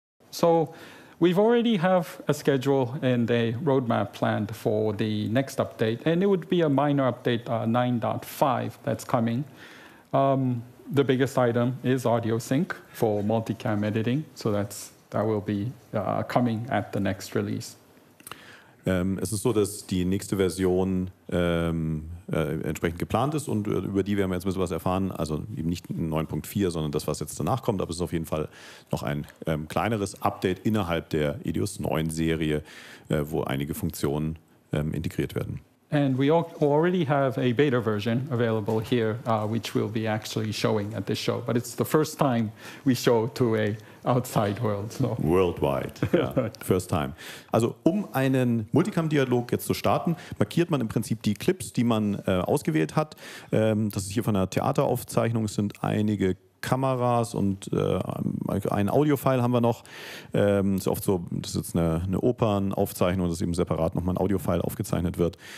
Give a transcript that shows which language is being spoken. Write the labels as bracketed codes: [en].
[en] So we've already have a schedule and a roadmap planned for the next update, and it would be a minor update, 9.5, that's coming. The biggest item is Audiosync for multicam editing, so that will be coming at the next release. [de] Es ist so, dass die nächste Version entsprechend geplant ist und über die werden wir jetzt ein bisschen was erfahren. Also eben nicht 9.4, sondern das, was jetzt danach kommt. Aber es ist auf jeden Fall noch ein kleineres Update innerhalb der EDIUS 9 Serie, wo einige Funktionen integriert werden. [en] And we already have a beta version available here, which we'll be actually showing at this show. But it's the first time we show to a outside world. So. Worldwide, yeah. First time. [de] Also um einen Multicam-Dialog jetzt zu starten, markiert man im Prinzip die Clips, die man ausgewählt hat. Das ist hier von einer Theateraufzeichnung. Es sind einige Kameras und ein Audio-File haben wir noch. Ist oft so, das ist jetzt eine Opernaufzeichnung, dass eben separat nochmal ein Audio-File aufgezeichnet wird.